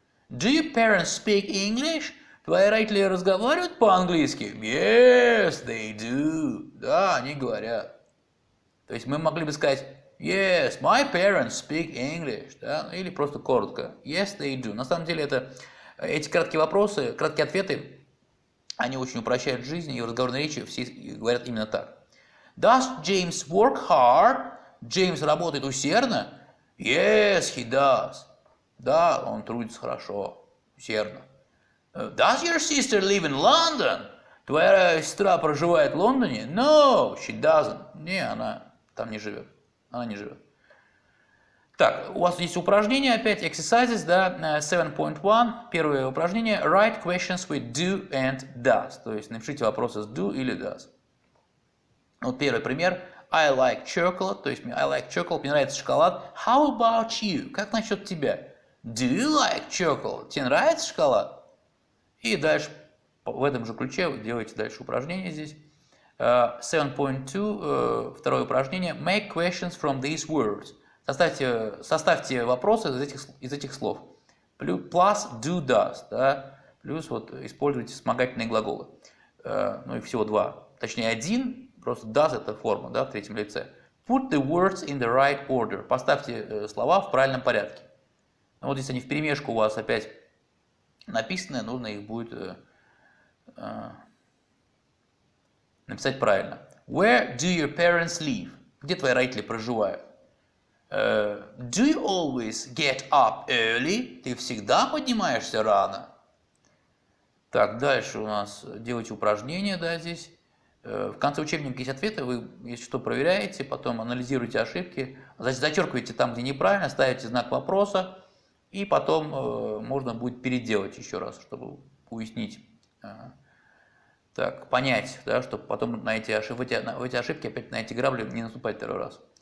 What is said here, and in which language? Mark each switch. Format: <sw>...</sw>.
<en>Do your parents speak English?</en> <ru>Твои родители разговаривают по-английски?</ru> <en>Yes, they do.</en> <ru>Да, они говорят. То есть мы могли бы сказать,</ru> <en>yes, my parents speak English.</en> <ru>Да? Или просто коротко,</ru> <en>yes, they do.</en> <ru>На самом деле, эти краткие вопросы, краткие ответы, они очень упрощают жизнь, и в разговорной речи все говорят именно так.</ru> <en>Does James work hard?</en> <ru>Джеймс работает усердно?</ru> <en>Yes, he does.</en> <ru>Да, он трудится хорошо, усердно.</ru> <en>Does your sister live in London?</en> <ru>Твоя сестра проживает в Лондоне?</ru> <en>No, she doesn't.</en> <ru>Не, она там не живет. Она не живет. Так, у вас есть упражнение опять,</ru> <en>exercises,</en> <ru>да, 7.1. Первое упражнение.</ru> <en>Write questions with do and does.</en> <ru>То есть напишите вопросы с do или does. Вот первый пример.</ru> <en>I like chocolate,</en> <ru>то есть</ru> <en>I like chocolate,</en> <ru>мне нравится шоколад.</ru> <en>How about you?</en> <ru>Как насчет тебя?</ru> <en>Do you like chocolate?</en> <ru>Тебе нравится шоколад? И дальше, в этом же ключе, вы делаете дальше упражнение здесь. 7.2, второе упражнение.</ru> <en>Make questions from these words.</en> <ru>Составьте вопросы из этих слов.</ru> <en>Plus do does,</en> <ru>да? Плюс вот используйте вспомогательные глаголы. Ну и всего два, точнее один. Просто does это форма, да, в третьем лице.</ru> <en>Put the words in the right order.</en> <ru>Поставьте слова в правильном порядке. Ну, вот если они вперемешку у вас опять написаны, нужно их будет написать правильно.</ru> <en>Where do your parents live?</en> <ru>Где твои родители проживают?</ru> <en>Do you always get up early?</en> <ru>Ты всегда поднимаешься рано? Так, дальше у нас делайте упражнения, да, здесь. В конце учебника есть ответы, вы, если что, проверяете, потом анализируете ошибки, зачеркиваете там, где неправильно, ставите знак вопроса, и потом можно будет переделать еще раз, чтобы уяснить, так, понять, да, чтобы потом в эти ошибки опять на эти грабли не наступать второй раз.</ru>